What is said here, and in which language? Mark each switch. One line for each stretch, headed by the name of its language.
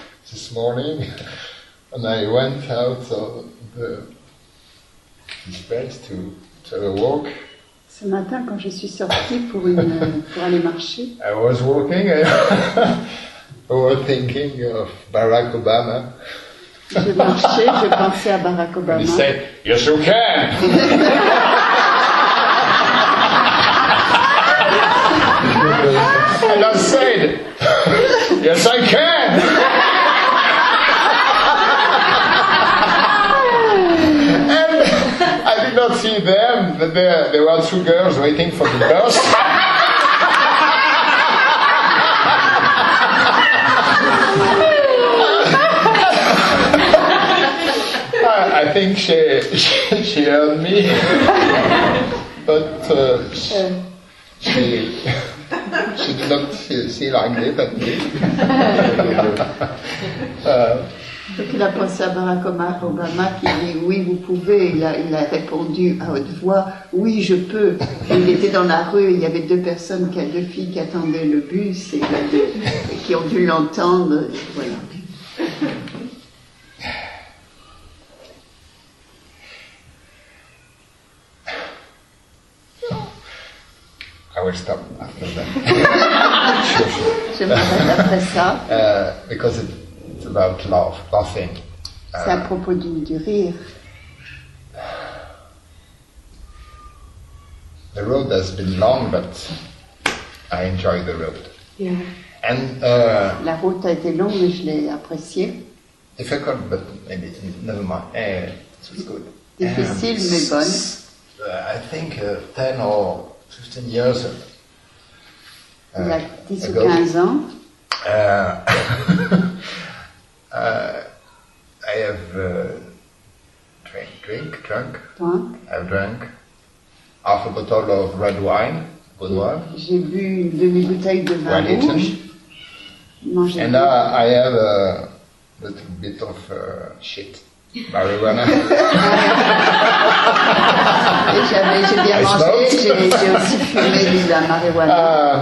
English: This morning, when I went out of the space to a walk.
French: Ce matin, quand je suis sortie pour aller marcher.
English: I was walking. I was thinking of Barack Obama.
French: Je marchais, je pensais à Barack Obama.
English: And he said, "Yes, you can." And I said, "Yes, I can." I did not see them, but there were two girls waiting for the bus. I think she heard me, but she did not see like that at me.
French: Donc il a pensé à Barack Obama qui dit oui vous pouvez, il a répondu à haute voix oui je peux. Il était dans la rue, il y avait deux personnes, deux filles qui attendaient le bus et qui ont dû l'entendre. Voilà.
English: I will stop after that.
French: Je m'arrête après ça.
English: Because it's about love, laughing.
French: C'est à propos du rire.
English: The road has been long, but I enjoy the road. Yeah. And
French: la route a été longue, mais je l'ai appréciée.
English: Difficult, but maybe never mind. It was good.
French: Difficile, mais bonne.
English: I think 10 or 15 years ago.
French: Il y a 10 ou 15 ans.
English: I have drunk. I've drank half a bottle of red wine, good wine.
French: J'ai bu une demi-bouteille de vin rouge.
English: Eaten.
French: Mangé.
English: And I have a little bit of shit. Marijuana.
French: J'ai bien mangé, j'ai aussi fumé de la marijuana.